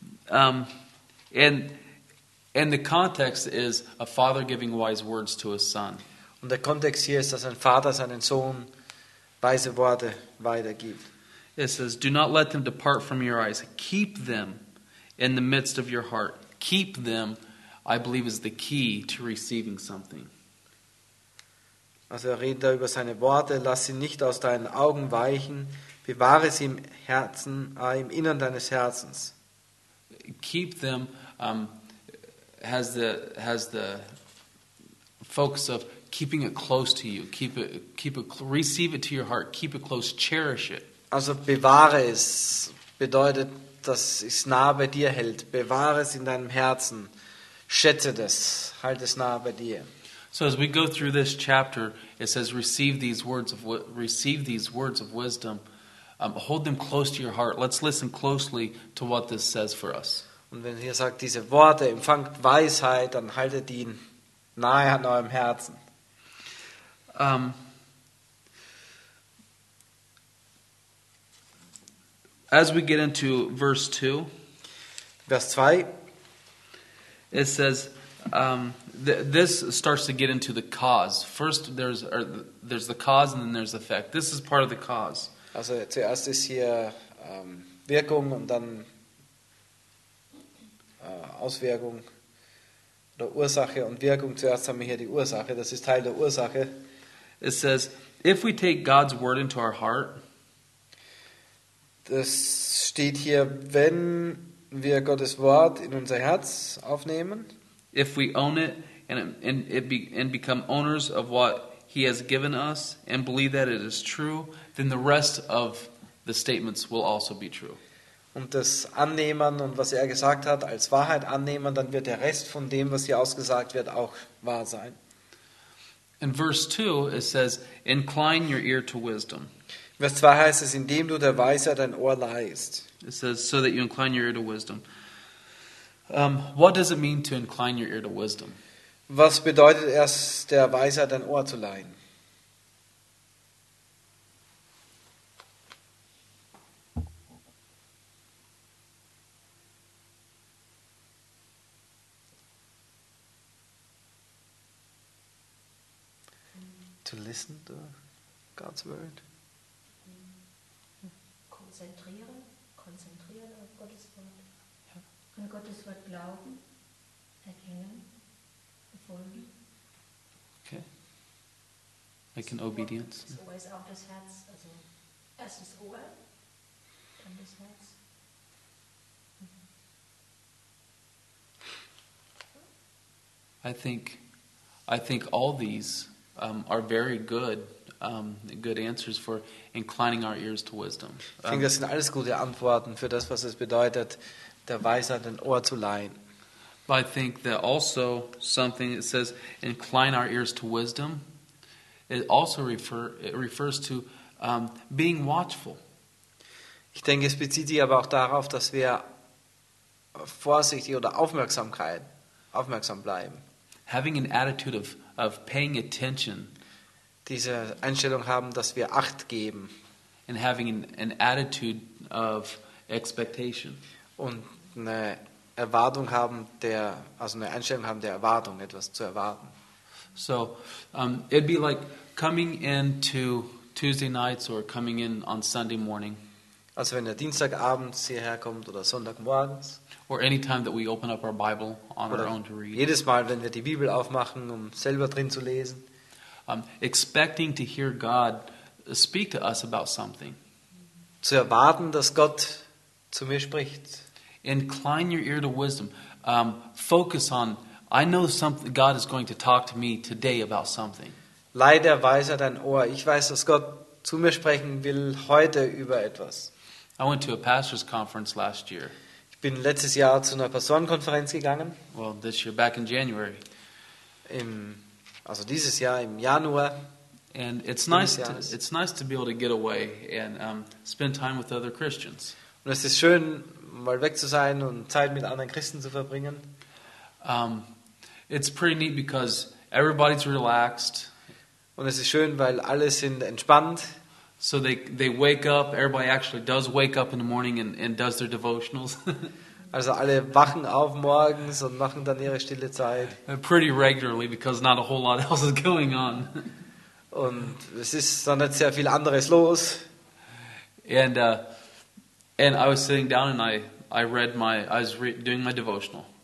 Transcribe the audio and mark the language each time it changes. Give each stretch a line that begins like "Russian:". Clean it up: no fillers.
English: And the context is a father giving wise words to his son.
German: Und der Kontext hier ist, dass ein Vater seinen Sohn weise Worte weitergibt.
English: It says, "Do not let them depart from your eyes. Keep them in the midst of your heart. Keep them," I believe, is the key to receiving something.
German: Also redet er über seine Worte. Lass sie nicht aus deinen Augen weichen. Bewahre sie im Herzen, im Innern deines Herzens.
English: Keep them has the focus of keeping it close to you. Keep it, receive it to your heart. Keep it close. Cherish it.
German: Also bewahre es bedeutet, dass es nah bei dir hält. Bewahre es in deinem Herzen. Schätze das. Halt es nah bei dir.
English: So as we go through this chapter, it says receive these words of wisdom. Hold them close to your heart. Let's listen closely to what this says for us.
German: Und wenn hier sagt, diese Worte, empfangt Weisheit, dann haltet ihn nahe an eurem Herzen.
English: As we get into verse 2,
German: Vers 2,
English: it says, this starts to get into the cause. First there's the cause and then there's the effect. This is part of the cause.
German: Also zuerst ist hier Wirkung und dann Auswirkung oder Ursache und Wirkung. Zuerst haben wir hier die Ursache, das ist Teil der Ursache.
English: It says, if we take God's word into our heart,
German: das steht hier, wenn wir Gottes Wort in unser Herz aufnehmen,
English: if we own it and become owners of what he has given us and believe that it is true, then the rest of the statements will also be true.
German: Und das Annehmen und was er gesagt hat als Wahrheit annehmen, dann wird der Rest von dem, was hier ausgesagt wird, auch wahr sein.
English: In verse 2 it says, incline your ear to wisdom.
German: Vers 2 heißt es, indem du der Weisheit dein Ohr leihst.
English: It says, so that you incline your ear to wisdom. What does it mean to incline your ear to wisdom?
German: Was bedeutet es, der Weisheit ein Ohr zu leihen?
English: To listen to God's word.
German: Konzentrieren auf Gottes Wort. Ja. An Gottes Wort glauben, erkennen, befolgen.
English: Okay. Like in obedience.
German: Das Ohr ist auch das Herz. Also erst das Ohr, dann das Herz.
English: I think all these are very good answers for inclining our ears to wisdom.
German: Ich denke, das sind alles gute Antworten für das, was es bedeutet, der Weisheit ein Ohr zu leihen.
English: But I think that also something it says, incline our ears to wisdom, it refers to being watchful.
German: Ich denke, es bezieht sich aber auch darauf, dass wir vorsichtig oder aufmerksam bleiben.
English: Having an attitude of paying attention,
German: diese Einstellung haben, dass wir Acht geben,
English: and having an attitude of expectation,
German: und eine Erwartung haben, der, also eine Einstellung haben der Erwartung, etwas zu erwarten.
English: So, it'd be like coming in to Tuesday nights or coming in on Sunday morning.
German: Also wenn der Dienstagabend hierher kommt oder Sonntagmorgens.
English: Or any time that we open up our Bible on our own to read.
German: Jedes Mal, wenn wir die Bibel aufmachen, um selber drin zu lesen.
English: Expecting to hear God speak to us about something.
German: Zu erwarten, dass Gott zu mir spricht.
English: Incline your ear to wisdom. Focus on, I know something, God is going to talk to me today about something.
German: Leih der Weise dein Ohr. Ich weiß, dass Gott zu mir sprechen will heute über etwas.
English: I went to a pastor's conference last year.
German: Ich bin letztes Jahr zu einer Pastorenkonferenz gegangen.
English: Well, this year, back in January.
German: Also dieses Jahr im Januar.
English: And it's nice to be able to get away and spend time with other Christians.
German: Und es ist schön, mal weg zu sein und Zeit mit anderen Christen zu verbringen.
English: It's pretty neat because everybody's relaxed.
German: Und es ist schön, weil alle sind entspannt.
English: So they wake up. Everybody actually does wake up in the morning and does their devotionals.
German: Also alle wachen auf morgens und machen dann ihre stille Zeit.
English: Pretty regularly because not a whole lot else is going on.
German: Und es ist dann nicht sehr viel anderes los.
English: And I was sitting down and I was doing my devotional.